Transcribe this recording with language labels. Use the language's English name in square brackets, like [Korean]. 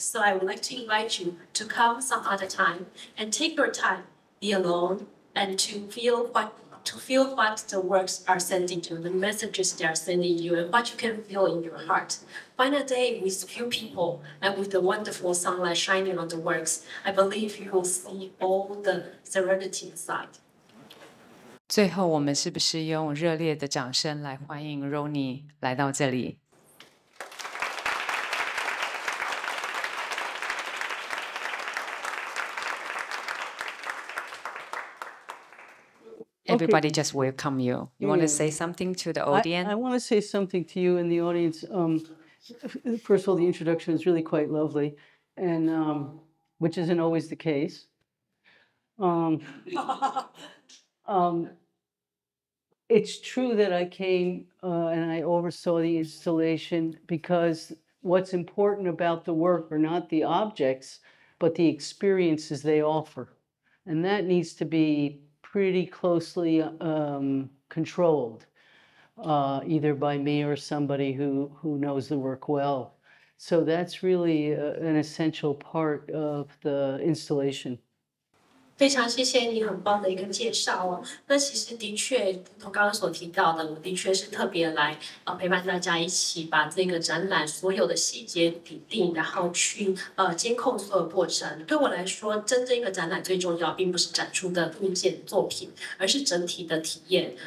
[English] So I would like to invite you to come some other time and take your time, be alone, and to feel what the works are sending you, the messages they are sending you, and what you can feel in your heart. Find a day with few people and with the wonderful sunlight shining on the works. I believe you will see all the serenity inside. [Chinese] 最后，我们是不是用热烈的掌声来欢迎 Roni 来到这里？ [English] Everybody, okay. Just welcome you. You want to say something to the audience? I want to say something to you and the audience. First of all, the introduction is really quite lovely, and which isn't always the case. It's true that I came and I oversaw the installation because what's important about the work are not the objects, but the experiences they offer, and that needs to be. Pretty closely controlled, either by me or somebody who knows the work well. So that's really an essential part of the installation. [Chinese] 非常谢谢你很棒的一个介绍哦。那其实的确，如同刚刚所提到的，我的确是特别来陪伴大家一起把这个展览所有的细节拟定，然后去监控所有过程。对我来说，真正一个展览最重要，并不是展出的物件作品，而是整体的体验。